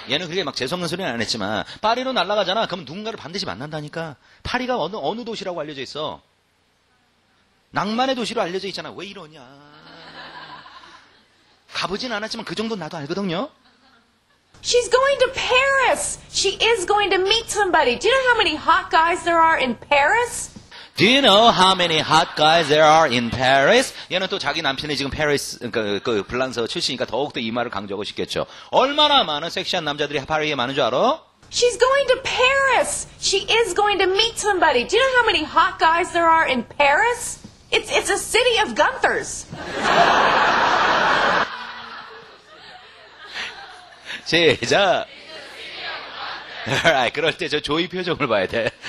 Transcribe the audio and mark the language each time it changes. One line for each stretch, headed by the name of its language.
Korean: 얘는 그렇게 막 재수없는 소리는 안 했지만 파리로 날아가잖아. 그럼 누군가를 반드시 만난다니까. 파리가 어느 도시라고 알려져 있어. 낭만의 도시로 알려져 있잖아. 왜 이러냐. 가보진 않았지만 그 정도는 나도 알거든요.
English: She's going to Paris. She is going to meet somebody. Do you know how many hot guys there are in Paris? Do you know how many hot guys there are in Paris?
Korean: 얘는 또 자기 남편이 지금 파리스, 그 블랑서 출신이니까 더욱더 이 말을 강조하고 싶겠죠. 얼마나 많은 섹시한 남자들이 파리에 많은 줄 알아?
English: She's going to Paris. She is going to meet somebody. Do you know how many hot guys there are in Paris? It's a city of Gunthers.
Korean: 시작. Alright, 그럴 때 저 조이 표정을 봐야 돼.